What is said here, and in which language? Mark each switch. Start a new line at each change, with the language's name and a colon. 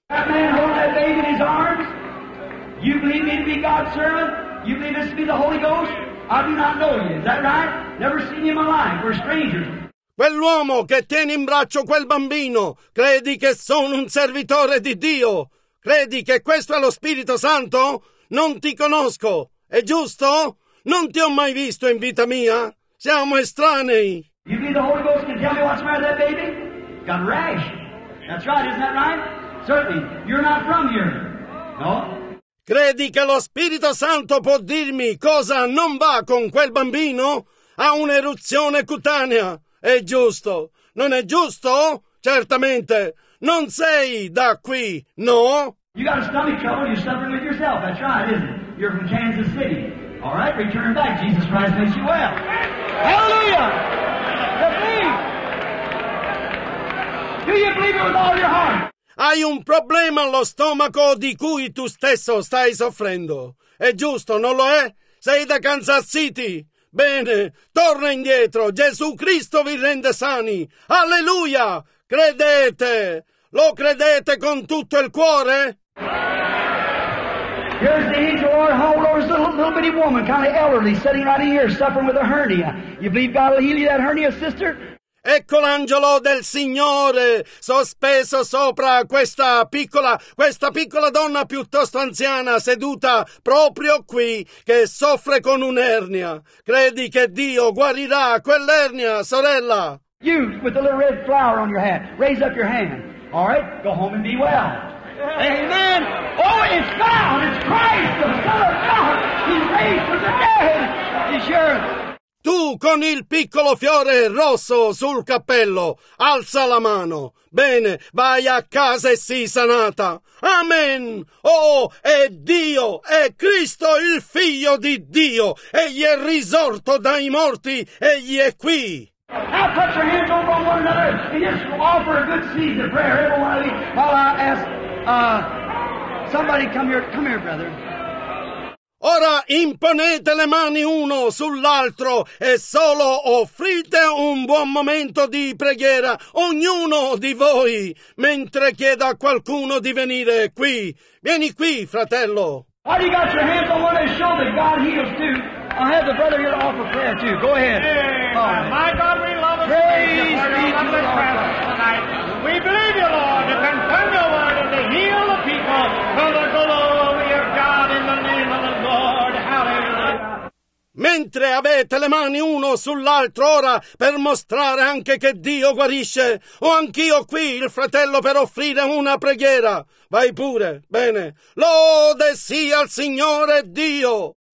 English: That man hold that baby in his arms. You believe me to be God's servant? You believe this to be the Holy Ghost? I do not know you. Is that right? Never seen you in my life. We're strangers.
Italian: Quell'uomo che tiene in braccio quel bambino, credi che sono un servitore di Dio? Credi che questo è lo Spirito Santo? Non ti conosco. È giusto? Non ti ho mai visto in vita mia. Siamo estranei.
English: You believe the Holy Ghost can tell me what's the matter with that baby? Got a rash. That's right. Isn't that right? Certainly, you're not from here. No?
Italian: Credi che lo Spirito Santo può dirmi cosa non va con quel bambino? Ha un'eruzione cutanea. È giusto. Non è giusto? Certamente. Non sei da qui, no?
English: You got a stomach trouble, you're suffering with yourself. That's right, isn't it? You're from Kansas City. All right, return back. Jesus Christ makes you well. Hallelujah! The thief! Do you believe it with all your heart?
Italian: Hai un problema allo stomaco di cui tu stesso stai soffrendo. È giusto, non lo è? Sei da Kansas City. Bene, torna indietro. Gesù Cristo vi rende sani. Alleluia! Credete! Lo credete con tutto il cuore?
English: Here's the angel of our home, Lord. It's a little bitty woman, kind of elderly, sitting right here, suffering with a hernia. You believe God will heal you that hernia, sister?
Italian: Ecco l'angelo del Signore, sospeso sopra questa piccola donna piuttosto anziana, seduta proprio qui, che soffre con un'ernia. Credi che Dio guarirà quell'ernia, sorella?
English: You, with the little red flower on your hat, raise up your hand. All right, go home and be well. Amen. Oh, it's found, it's Christ, the Son of God. He's raised from the dead. He's sure.
Italian: Tu con il piccolo fiore rosso sul cappello, alza la mano. Bene, vai a casa e sii sanata. Amen! Oh, è Dio, è Cristo il Figlio di Dio. Egli è risorto dai morti, egli è qui.
English: Now touch your hands over on one another and just offer a good seed of prayer, everyone of you, while I ask somebody come here, brother.
Italian: Ora imponete le mani uno sull'altro e solo offrite un buon momento di preghiera, ognuno di voi, mentre chiedo a qualcuno di venire qui. Vieni qui, fratello.
English: Why do you got your hands on one and show that God heals too? I have the brother here to offer prayer too. Go ahead. My God, we love us. Praise be to the Lord. We believe you, Lord, to confirm your word and to heal the people for the glory of God in the name of the Lord. Hallelujah.
Italian: Mentre avete le mani uno sull'altro ora per mostrare anche che Dio guarisce, ho anch'io qui il fratello per offrire una preghiera. Vai pure, bene. Lode sia il Signore Dio.